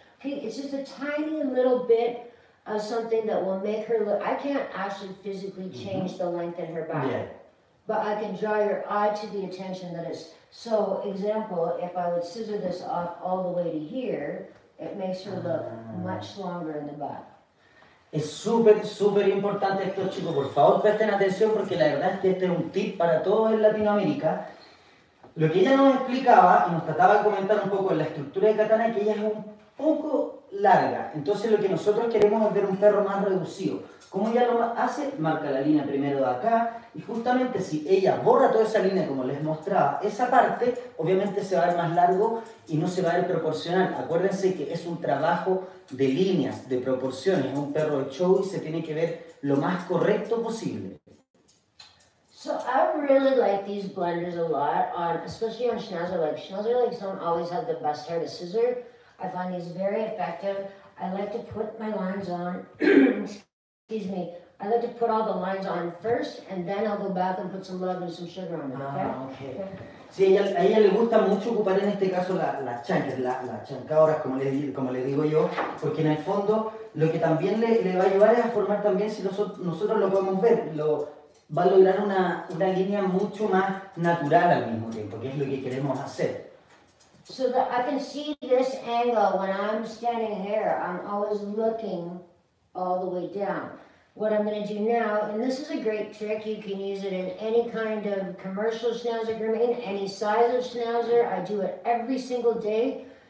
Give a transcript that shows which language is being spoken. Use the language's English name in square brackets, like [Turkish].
[English] Okay, it's just a tiny little bit of something that will make her look. I can't actually physically change mm-hmm. the length in her back. Yeah. But I can draw your eye to the attention that it's. So, example, if I would scissor this off all the way to here, it makes her look much longer in the back. [Spanish] Es súper, súper importante esto, chicos. Por favor, presten atención porque la verdad es que este es un tip para todos en Latinoamérica. Lo que ella nos explicaba y nos trataba de comentar un poco en la estructura de Katana es que ella es un poco larga. Entonces, lo que nosotros queremos es ver un perro más reducido. ¿Cómo ella lo hace? Marca la línea primero de acá y justamente si ella borra toda esa línea como les mostraba, esa parte obviamente se va a ver más largo y no se va a ver proporcional. Acuérdense que es un trabajo de líneas, de proporciones, es un perro de show y se tiene que ver lo más correcto posible. [English] So I really like these blenders a lot, especially on Schnauzer. Like Schnauzer legs don't always have the best hair to scissor. I find these very effective. I like to put my lines on. Excuse me, I like to put all the lines on first and then I'll go back and put some love and some sugar on it, okay? Ah, okay. [Spanish] Sí, a ella le gusta mucho ocupar en este caso las chancadoras, como le digo yo, porque en el fondo lo que también le va a llevar es a formar también, si nosotros lo podemos ver, va a lograr una línea mucho más natural al mismo tiempo, que es lo que queremos hacer. [English] So that I can see this angle when I'm standing here, I'm always looking all the way down. What I'm going to do now, and this is a great trick, you can use it in any kind of commercial schnauzer grooming, any size of schnauzer, I do it every single day.